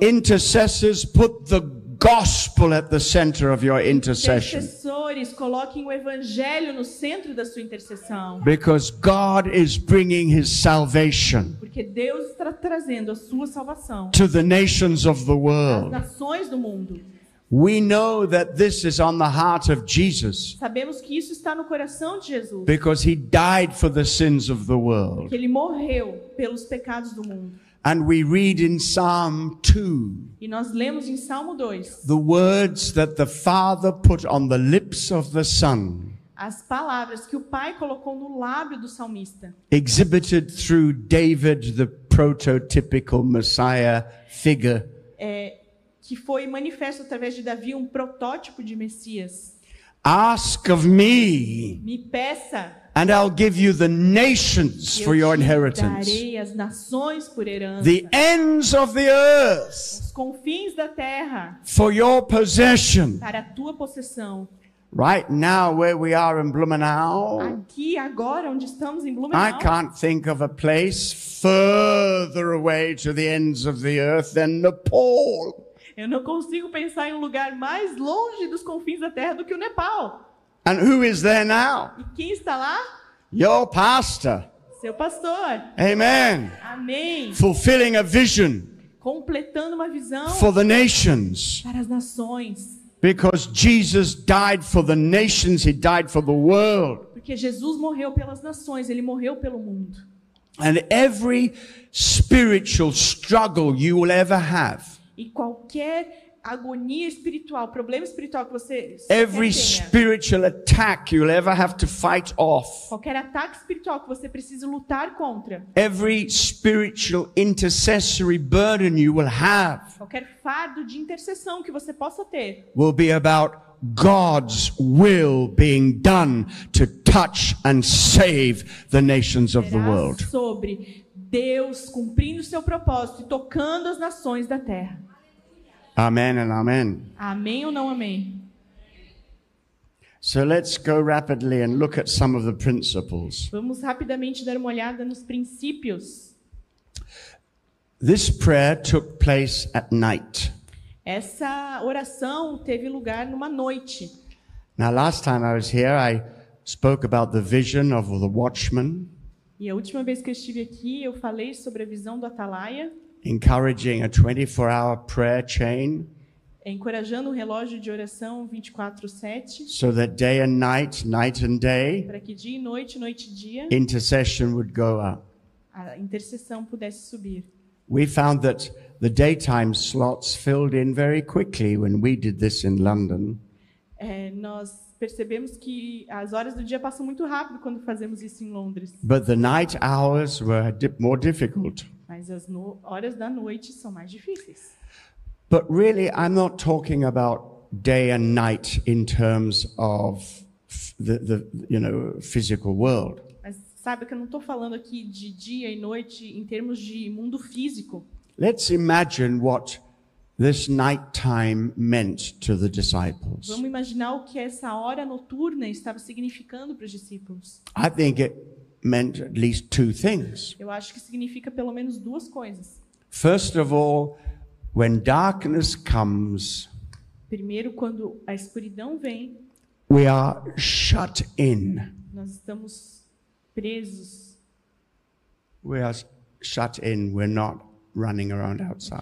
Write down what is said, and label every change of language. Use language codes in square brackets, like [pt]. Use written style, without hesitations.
[en] Intercessors put the gospel at the center of your intercession. [pt] Intercessores, coloquem o evangelho no centro da sua intercessão. [en] Because God is bringing his salvation. [pt] Porque Deus está trazendo a sua salvação. [en] To the nations of the world. [pt] As nações do mundo. [en] We know that this is on the heart of Jesus. [pt] Sabemos que isso está no coração de Jesus. [en] Because he died for the sins of the world. [pt] Porque ele morreu pelos pecados do mundo. [en] And we read in Psalm 2. [pt] E nós lemos em Salmo 2. [en] The words that the Father put on the lips of the Son. [pt] As palavras que o Pai colocou no lábio do salmista. [en] Exhibited through David, the prototypical Messiah figure. [pt] É, que foi manifesto através de Davi, um protótipo de Messias. [en] Ask of me. [pt] Me peça. [en] And I'll give you the nations for your inheritance. [pt] Eu te darei as nações por herança. [en] The ends of the earth. [pt] Os confins da terra. [en] For your possession. [pt] Para a tua possessão. [en] Right now, where we are in Blumenau, [pt] aqui, agora, onde estamos em Blumenau, [en] I can't think of a place further away to the ends of the earth than Nepal. [pt] Eu não consigo pensar em um lugar mais longe dos confins da terra do que o Nepal. [en] And who is there now? [pt] E quem está lá? [en] Your pastor. [pt] Seu pastor. [en] Amen. [pt] Amém. [en] Fulfilling a vision. [pt] Completando uma visão. [en] For the nations. [pt] Para as nações. [en] Because Jesus died for the nations, he died for the world. [pt] Porque Jesus morreu pelas nações, ele morreu pelo mundo. [en] And every spiritual struggle you will ever have. [pt] E qualquer agonia espiritual, problema espiritual que você [en] every spiritual attack you'll ever have to fight off. [pt] Qualquer ataque espiritual que você precisa lutar contra. [en] Every spiritual intercessory burden you will have. [pt] Qualquer fardo de intercessão que você possa ter. [en] Will be about God's will being done to touch and save the nations of the world. [pt] Sobre Deus cumprindo seu propósito e tocando as nações da terra. [en] Amen and amen. [pt] Amém ou não amém? [en] So let's go rapidly and look at some of the principles. [pt] Vamos rapidamente dar uma olhada nos princípios. [en] This prayer took place at night. [pt] Essa oração teve lugar numa noite. [en] Now last time I was here, I spoke about the vision of the watchman. [pt] E a última vez que eu estive aqui, eu falei sobre a visão do atalaia. [en] Encouraging a 24-hour prayer chain. [pt] Encorajando um relógio de oração 24/7. [en] So that day and night, night and day. [pt] Para que dia e noite, noite e dia. [en] Intercession would go up. [pt] A intercessão pudesse subir. [en] We found that the daytime slots filled in very quickly when we did this in London. [pt] Nós percebemos que as horas do dia passam muito rápido quando fazemos isso em Londres. [en] But the night hours were more difficult. [pt] Mas as horas da noite são mais difíceis. [en] But really, I'm not talking about day and night in terms of the you know, physical world. [pt] Mas sabe que eu não estou falando aqui de dia e noite em termos de mundo físico. [en] Let's imagine what this nighttime meant to the disciples. [pt] Vamos imaginar o que essa hora noturna estava significando para os discípulos. [en] I think it meant at least two things. [pt] Eu acho que significa pelo menos duas coisas. [en] First of all, when darkness comes, [pt] primeiro, quando a escuridão vem, [en] we are shut in. [pt] Nós estamos presos. [en] We are shut in. We're not running around outside.